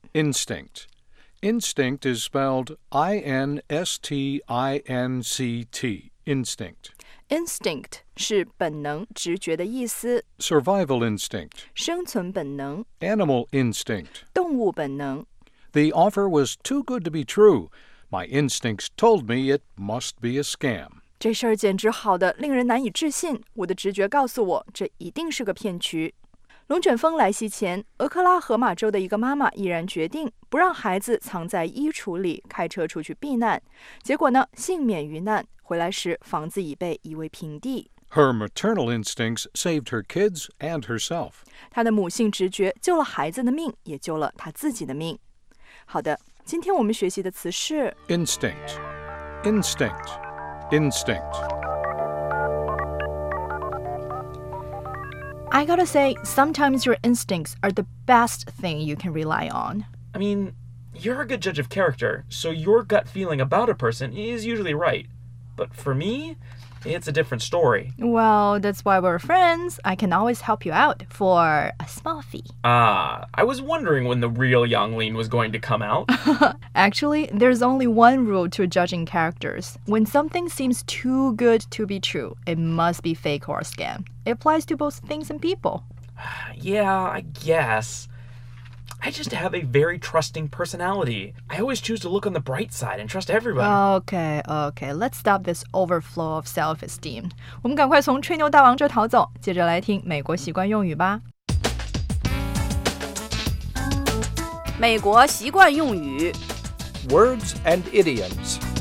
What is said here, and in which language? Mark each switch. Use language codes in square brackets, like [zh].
[en] Instinct. Instinct is spelled I-N-S-T-I-N-C-T. Instinct. Instinct [zh] 是本能、直觉的意思。 [en] Survival instinct [zh] 生存本能。 [en] Animal instinct [zh] 动物本能。 [en] The offer was too good to be true. My instincts told me it must be a scam. [zh] 这事儿简直好得令人难以置信。我的直觉告诉我，这一定是个骗局。龙卷风来袭前，俄克拉荷马州的一个妈妈毅然决定不让孩子藏在衣橱里，开车出去避难。结果呢，幸免于难，回来时房子已被夷为平地。 [en] Her maternal instincts saved her kids and herself. [zh] 她的母性直觉救了孩子的命，也救了她自己的命。好的，今天我们学习的词是 [en] Instinct. Instinct. Instinct. I gotta say, sometimes your instincts are the best thing you can rely on. I mean, you're a good judge of character, so your gut feeling about a person is usually right. But for me, it's a different story. Well, that's why we're friends. I can always help you out for a small fee. Ah, I was wondering when the real Yang Lin was going to come out. Actually, there's only one rule to judging characters. When something seems too good to be true, it must be fake or a scam. It applies to both things and people. Yeah, I guess. I just have a very trusting personality. I always choose to look on the bright side and trust everybody. Okay, okay. Let's stop this overflow of self-esteem. [zh] 我们赶快从吹牛大王这逃走，接着来听美国习惯用语吧。美国习惯用语 [en] Words and idioms.